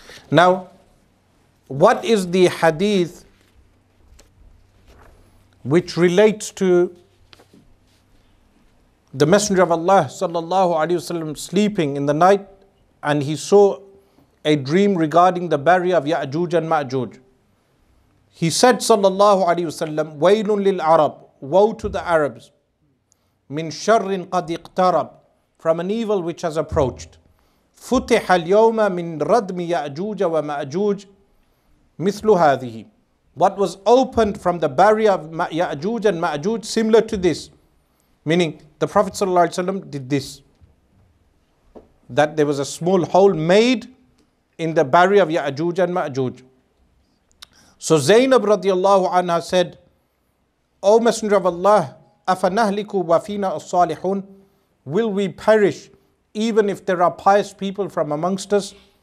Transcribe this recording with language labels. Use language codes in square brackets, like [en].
[en] Now, what is the hadith which relates to the Messenger of Allah sallallahu alayhi wasallam sleeping in the night and he saw a dream regarding the barrier of Ya'juj and Ma'juj? He said sallallahu alayhi wasallam, [ar] "Waylun lil Arab, [en] woe to the Arabs, [ar] min sharrin qad iqtarab, [en] from an evil which has approached. [ar] فتح اليوم من ردم يأجوج ومأجوج مثل هذه." [en] What was opened from the barrier of يأجوج and مأجوج similar to this, meaning the Prophet sallallahu alaihi wasallam did this, that there was a small hole made in the barrier of يأجوج and مأجوج. So Zainab radiallahu anha said, "O Messenger of Allah, [ar] أفنهلك وفينا الصالحون, [en] will we perish even if there are pious people from amongst us?"